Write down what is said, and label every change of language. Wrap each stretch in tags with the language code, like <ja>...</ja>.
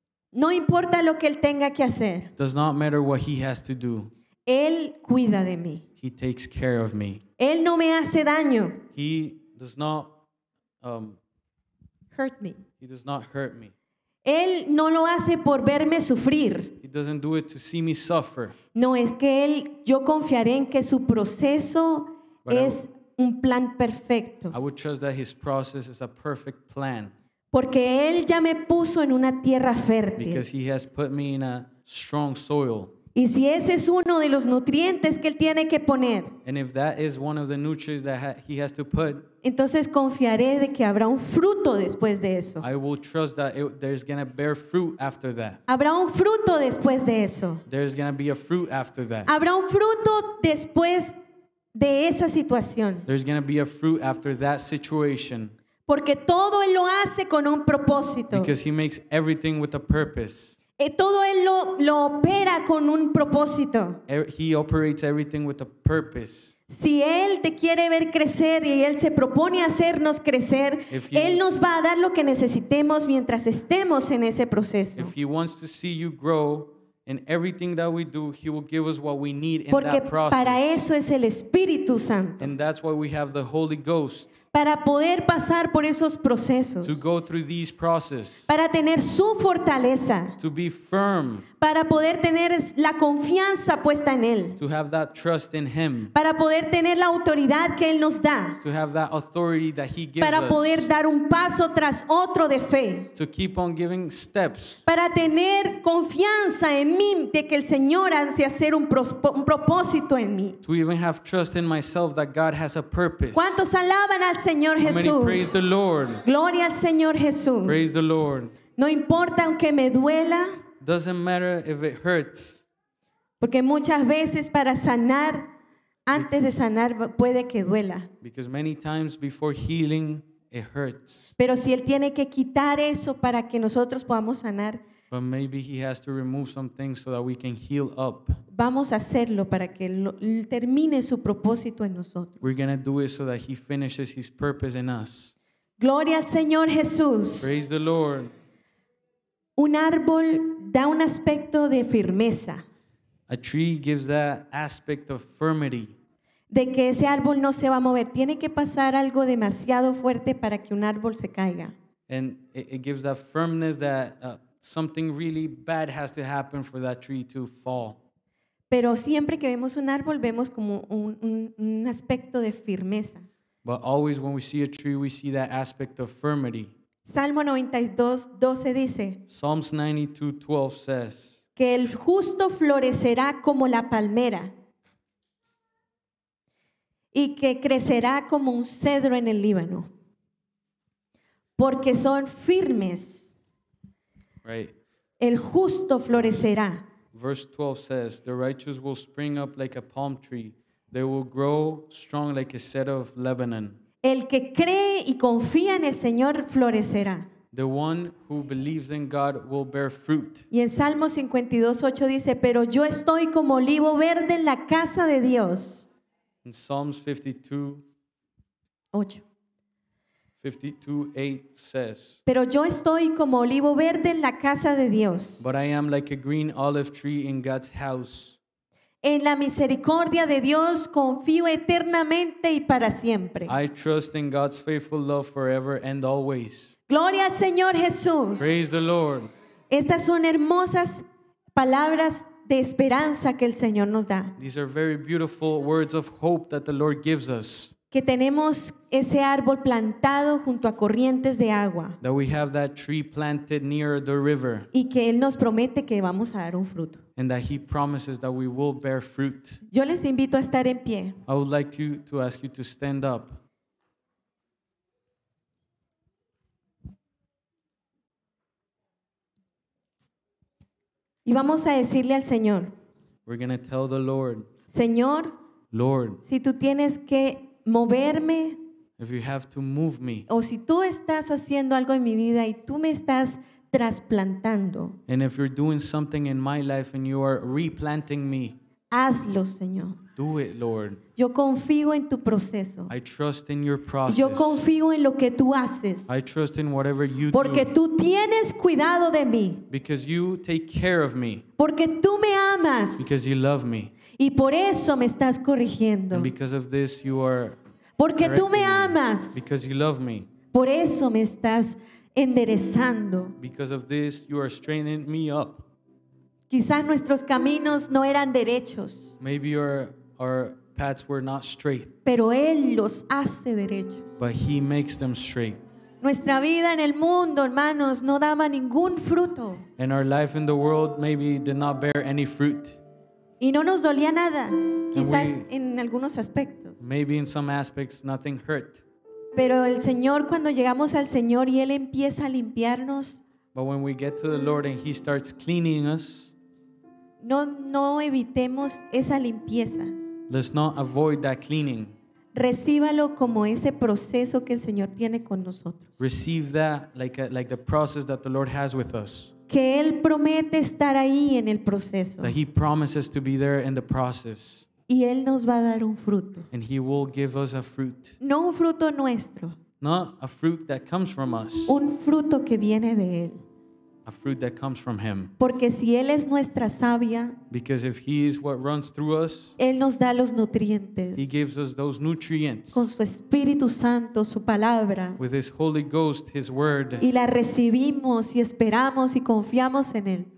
<es>No importa lo que él tenga que hacer.</es> <en>Does not matter what he has to do.</en> <es>Él cuida de mí.</es> <en>He takes care of me.</en> <es>Él no me hace daño.</es> <en>He does not hurt me. He does not hurt me.</en> <es>Él no lo hace por verme sufrir.</es> <en>He doesn't do it to see me suffer.</en> <es>No, es que él, yo confiaré en que su proceso es un plan perfecto.</es> <en>I would trust that his process is a perfect plan.</en> <es>Porque él ya me puso en una tierra fértil.</es> <en>Because he has put me in a strong soil.</en> <es>Y si ese es uno de los nutrientes que él tiene que poner.</es> <en>And if that is one of the nutrients that he has to put.</en> <es>Entonces confiaré de que habrá un fruto después de eso.</es> <en>I will trust that there's going to bear fruit after that.</en> <es>Habrá un fruto después de eso.</es> <en>There's going to be a fruit after that.</en> <es>Habrá un fruto después de esa situación.</es> <en>There's going to be a fruit after that situation.</en> <es>Porque todo él lo hace con un propósito.</es> <en>Because he makes everything with a purpose.</en> <es>Todo él lo opera con un propósito.</es> <en>He operates everything with a purpose.</en> <es>Si él te quiere ver crecer y él se propone hacernos crecer, él nos va a dar lo que necesitemos mientras estemos en ese proceso.</es> <en>If he wants to see you grow in everything that we do, he will give us what we need in</en> <es>porque</es> <en>that process.</en> <es>Para eso es el Espíritu Santo.</es> <en>And that's why we have the Holy Ghost.</en> <es>Para poder pasar por esos procesos.</es> <en>To go through these processes.</en> <es>Para tener su fortaleza.</es> <en>To be firm.</en> <es>Para poder tener la confianza puesta en él.</es> <en>To have that trust in him.</en> <es>Para poder tener la autoridad que él nos da.</es> <en>To have that authority that he gives us.</en> <es>Para poder dar un paso tras otro de fe.</es> <en>To keep on giving steps.</en> <es>Para tener confianza en mí de que el Señor hace hacer un propósito en mí.</es> <en>To even have trust in myself that God has a purpose.</en> <es>¿Cuántos alaban al Señor Jesús?</es> <en>How many praise the Lord?</en> <es>Gloria al Señor Jesús.</es> <en>Praise the Lord.</en> <es>No importa aunque me duela.</es> <en>Doesn't matter if it hurts.</en> <es>Porque muchas veces para sanar, antes de sanar puede que duela.</es> <en>Because many times before healing, it hurts.</en> <es>Pero si él tiene que quitar eso para que nosotros podamos sanar.</es> <en>But maybe he has to remove some things so that we can heal up.</en> <es>Vamos a hacerlo para que termine su propósito en nosotros.</es> <en>We're going to do it so that he finishes his purpose in us.</en> <es>Gloria al Señor Jesús.</es> <en>Praise the Lord.</en> <es>Un árbol da un aspecto de firmeza.</es> <en>A tree gives that aspect of firmity.</en> <es>De que ese árbol no se va a mover. Tiene que pasar algo demasiado fuerte para que un árbol se caiga.</es> <en>And it gives that firmness that something really bad has to happen for that tree to fall.</en> <es>Pero siempre que vemos un árbol, vemos como un aspecto de firmeza.</es> <en>But always when we see a tree, we see that aspect of firmity.</en> <es>Salmo 92:12 dice.</es> <en>Psalms 92:12 says.</en> <es>Que el justo florecerá como la palmera. y que crecerá como un cedro en el Líbano, porque son firmes.</es> <en>Right.</en> <es>El justo florecerá.</es> <en>Verse 12 says, the righteous will spring up like a palm tree. They will grow strong like a cedar of Lebanon.</en> <es>El que cree y confía en el Señor florecerá.</es> <en>The one who believes in God will bear fruit.</en> <es>Y en Salmo 52:8 dice, pero yo estoy como olivo verde en la casa de Dios.</es> <en>In Psalms 52:8 says,</en> <es>pero yo estoy como olivo verde en la casa de Dios.</es> <en>But I am like a green olive tree in God's house.</en> <es>En la misericordia de Dios confío eternamente y para siempre.</es> <en>I trust in God's faithful love forever and always.</en> <es>Gloria al Señor Jesús.</es> <en>Praise the Lord.</en> <es>Estas son hermosas palabras de esperanza que el Señor nos da.</es> <en>These are very beautiful words of hope that the Lord gives us.</en> <es>Que tenemos ese árbol plantado junto a corrientes de agua.</es> <en>That we have that tree planted near the river.</en> <es>Y que Él nos promete que vamos a dar un fruto.</es> <en>And that He promises that we will bear fruit.</en> <es>Yo les invito a estar en pie.</es> <en>I would like to ask you to stand up.</en> <es>Y vamos a decirle al Señor.</es> <en>We're going to tell the Lord.</en> <es>Señor.</es> <en>Lord.</en> <es>Si tú tienes que moverme.</es> <en>If you have to move me.</en> <es>O si tú estás haciendo algo en mi vida y tú me estás trasplantando.</es> <en>And if you're doing something in my life and you are replanting me.</en> <es>Hazlo, Señor.</es> <en>Do it, Lord.</en> <es>Yo confío en tu proceso.</es> <en>I trust in your process.</en> <es>Yo confío en lo que tú haces.</es> <en>I trust in whatever you</en> <es>Porque</es> <en>do.</en> <es>Tú tienes cuidado de mí.</es> <en>Because you take care of me.</en> <es>Porque tú me amas.</es> <en>Because you love me.</en> <es>Y por eso me estás corrigiendo.</es> <en>And because of this you are</en> <es>Porque tú me amas.</es> <en>Because you love me.</en> <es>Por eso me estás enderezando.</es> <en>Because of this you are straightening me up.</en> <es>Quizás nuestros caminos no eran derechos.</es> <en>Maybe our paths were not straight.</en> <es>Pero Él los hace derechos.</es> <en>But He makes them straight.</en> <es>Nuestra vida en el mundo, hermanos, no daba ningún fruto.</es> <en>And our life in the world maybe did not bear any fruit.</en> <es>Y no nos dolía nada, quizás en algunos aspectos.</es> <en>Maybe in some aspects nothing hurt.</en> <es>Pero el Señor, cuando llegamos al Señor y Él empieza a limpiarnos,</es> <en>but when we get to the Lord and He starts cleaning us,</en> <es>no evitemos esa limpieza.</es> <en>Let's not avoid that cleaning.</en> <es>Recíbalo como ese proceso que el Señor tiene con nosotros.</es> <en>Receive that like the process that the Lord has with us.</en> <es>Que Él promete estar ahí en el proceso.</es> <en>That He promises to be there in the process.</en> <es>Y Él nos va a dar un fruto.</es> <en>And He will give us a fruit.</en> <es>No un fruto nuestro.</es> <en>Not a fruit that comes from us.</en> <es>Un fruto que viene de Él.</es> <en>A fruit that comes from Him.</en> <es>Porque si Él es nuestra savia,</es> <en>because if He is what runs through us,</en> <es>Él nos da los nutrientes.</es> <en>He gives us those nutrients.</en> <es>Con su Espíritu Santo, su palabra.</es> <en>With His Holy Ghost, His Word.</en> <es>Y la recibimos y esperamos y confiamos en Él.</es>